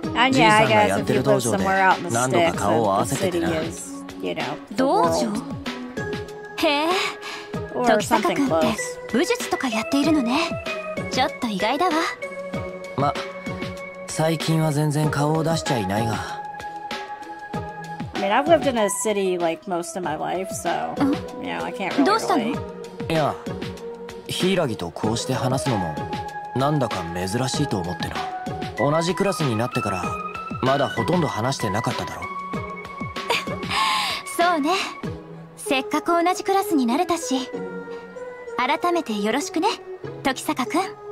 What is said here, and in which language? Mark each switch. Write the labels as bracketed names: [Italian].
[Japanese] さんがやってる道場で何度か顔を合わせててな。道場？へえ、時坂君って武術とかやっているのね。ちょっと意外だわ。ま、最近は全然顔を出しちゃいないが。 [English] I mean, I've lived in a city like most of my life, so you know, I can't really. [Japanese] どうしたの？いや、ヒイラギとこうして話すのもなんだか珍しいと思ってな。同じクラスになってからまだほとんど話してなかっただろ。そうね。せっかく同じクラスになれたし、改めてよろしくね、時坂君。